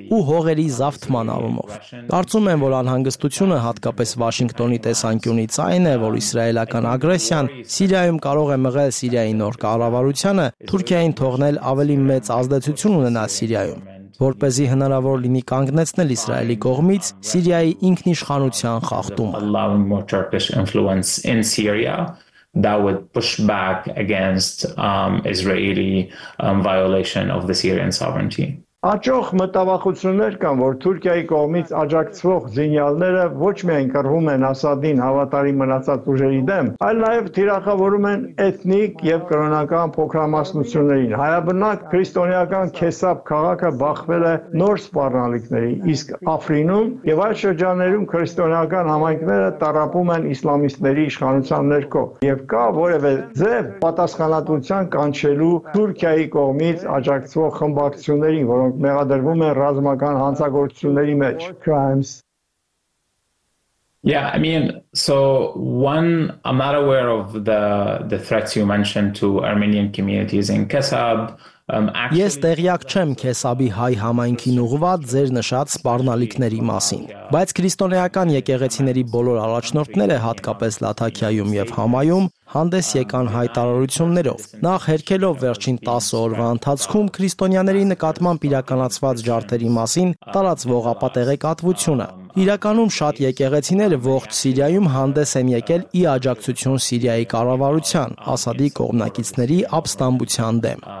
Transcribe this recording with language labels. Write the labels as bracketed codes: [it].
[hy] ու հողերի զավթման առումով։ Կարծում եմ, որ անհանգստությունը հատկապես Վաշինգտոնի տեսանկյունից այն է, որ իսրայելական ագրեսիան Սիրիայում կարող է մղել Սիրիայի նոր կառավարությանը, Թուրքիային թողնել ավելի մեծ ազդեցություն ունենա Սիրիայում, որպեսզի հնարավոր լինի կանգնեցնել Իսրայելի կողմից Սիրիայի ինքնիշխանության խախտումը։ [en] That would push back against Israeli violation of the Syrian sovereignty. [hy] Աճող մտավախություններ կան, որ Թուրքիայի կողմից աջակցվող զինյալները ոչ միայն կռվում են Ասադին հավատարի մնացած ուժերի դեմ, այլ նաև թիրախավորում են էթնիկ և կրոնական փոքրամասնություններին։ Հայաբնակ քրիստոնեական Քեսաբ քաղաքը բախվել է նոր սպառնալիքների, իսկ Աֆրինում և այլ շրջաններում քրիստոնեական համայնքները տարապում են իսլամիստների իշխանության ներքո, և կա որևէ ձև պատասխանատվության կանչելու Թուրքիայի կողմից աջակցվող խմբակցություններին, որոնք մեղադրվում են ռազմական հանցագործությունների մեջ, crimes. [en] Yeah, I mean, so one, I'm not aware of the threats you mentioned to Armenian communities in Kesab. [hy] Ես տեղյակ չեմ Քեսաբի հայ համայնքին ուղված ձեր նշած սպառնալիքների մասին, բայց քրիստոնեական եկեղեցիների բոլոր առաջնորդները, հատկապես Լաթաքիայում և Համայում, հանդես եկան հայտարարություններով, նախ հերքելով վերջին 10 օրվա ընթացքում քրիստոնյաների նկատմամբ իրականացված ջարդերի մասին տարածվող ապատեղեկատվությունը։ Իրականում շատ եկեղեցիներ ողջ Սիրիայում հանդես են եկել ի աջակցություն Սիրիայի կառավարության, Ասադի կողմնակիցների ապստամբության դեմ։